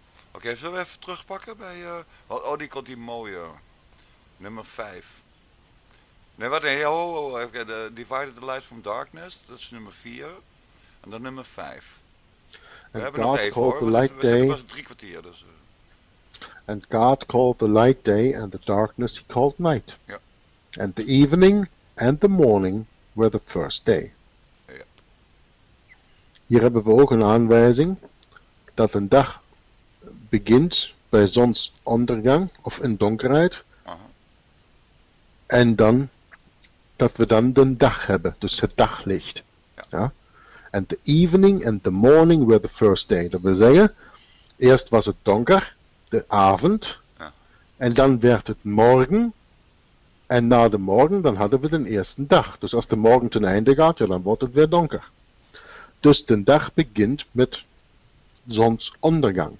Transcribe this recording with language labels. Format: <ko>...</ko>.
<nl>Oké, zullen we even terugpakken bij... die komt die mooie. Nummer 5. Nee, wat?</nl> <en>Divided the light from darkness,</en> <nl>dat is nummer 4. En dan nummer 5. En we God hebben nog even hoor, we zijn pas drie kwartier. Dus.</nl> <en>And God called the light day, and the darkness he called night.</en> <nl>Ja.</nl> <en>And the evening and the morning were the first day.</en> <nl>Ja. Hier hebben we ook een aanwijzing dat een dag begint bij zonsondergang of in donkerheid. En dan, dat we dan de dag hebben, dus het daglicht. Ja.</nl> <en>And the evening and the morning were the first day.</en> <nl>Dat wil zeggen, eerst was het donker, de avond. Ja. En dan werd het morgen. En na de morgen, dan hadden we de eerste dag. Dus als de morgen ten einde gaat, ja, dan wordt het weer donker. Dus de dag begint met zonsondergang.</nl>